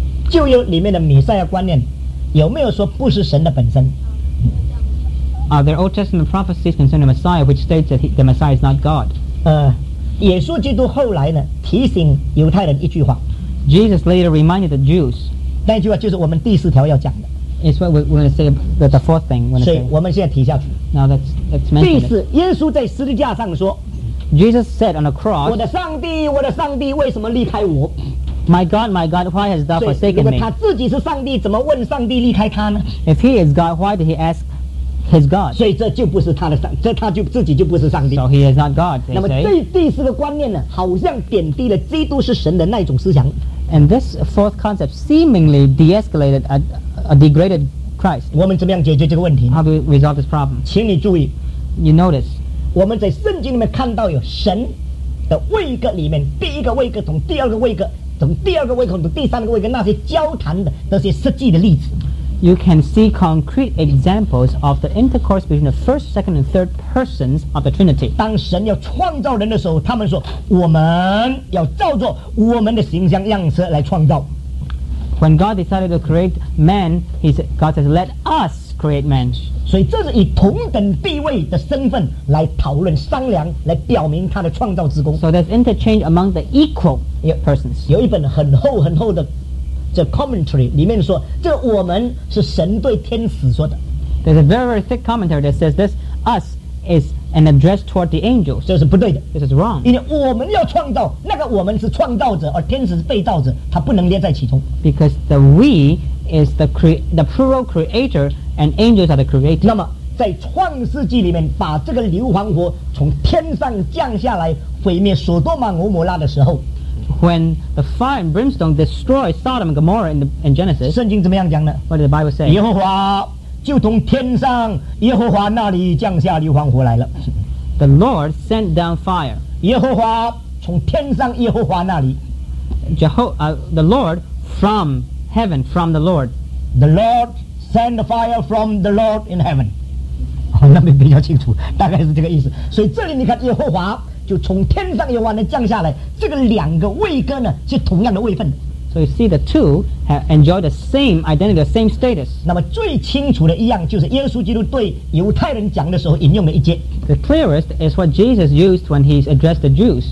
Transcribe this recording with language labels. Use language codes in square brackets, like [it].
[zh] 旧约里面的弥赛亚观念有没有说不是神的本身？ [en] Are there Old Testament prophecies concerning Messiah which states that the Messiah is not God? [zh] 耶稣基督后来呢提醒犹太人一句话。 [en] Jesus later reminded the Jews. [zh] 那句话就是我们第四条要讲的。 [en] It's what we're going to say about the fourth thing. [zh] 所以我们现在提下去。 [en] Now that's mentioned. [zh] 第四，耶稣在十字架上说。 [en] Jesus said on a cross. [zh] 我的上帝，我的上帝，为什么离开我？ [en] My God, why has thou forsaken me? [zh] 如果他自己是上帝，怎么问上帝离开他呢？ [en] If he is God, why did he ask his God? [zh] 所以这就不是他的上，这他就自己就不是上帝。 [en] So he is not God. [zh] 那么这第四个观念呢，好像贬低了基督是神的那种思想。 [en] And this fourth concept seemingly de-escalated a degraded Christ. [zh] 我们怎么样解决这个问题？ [en] How do we resolve this problem? [zh] 请你注意， [en] you notice， [zh] 我们在圣经里面看到有神的位格里面，第一个位格同第二个位格。从第二个位口到第三个位口，那些交谈的那些实际的例子， [en] You can see concrete examples of the intercourse between the first, second and third persons of the Trinity. [zh] 当神要创造人的时候，他们说我们要照着我们的形象样式来创造。 [en] When God decided to create man, he said, God says, let us create man. [zh] 所以这是以同等地位的身份来讨论商量，来表明他的创造之功。 [en] So there's interchange among the equalPersons. [zh] 有一本很厚很厚的这 commentary 里面说，这我们是神对天使说的。 [en] There's a very very thick commentary that says this us is an address toward the angels. [zh] 这是不对的。 [en] This is wrong. [zh] 因为我们要创造，那个我们是创造者，而天使是被造者，他不能连在其中。 [en] Because the we is the plural creator and angels are the creator. [zh] 那么在创世纪里面，把这个硫磺火从天上降下来毁灭索多玛俄摩拉的时候， [en] When the fire and brimstone destroyed Sodom and Gomorrah in Genesis, [zh] 圣经怎么样讲呢？ [en] What did the Bible say? [zh] 耶和华就从天上耶和华那里降下硫磺火来了。 [en] The Lord sent down fire. [zh] 耶和华从天上耶和华那里。 [en] The Lord from heaven, from the Lord. The Lord sent the fire from the Lord in heaven. [zh] 那边比较清楚，大概是这个意思。所以这里你看耶和华。就从天上有完的降下来，这个两个位格呢是同样的位分的。 [en] So you see the two have enjoyed the same identity, the same status. [zh] 那么最清楚的一样就是耶稣基督对犹太人讲的时候引用的一节。 [en] The clearest is what Jesus used when he addressed the Jews.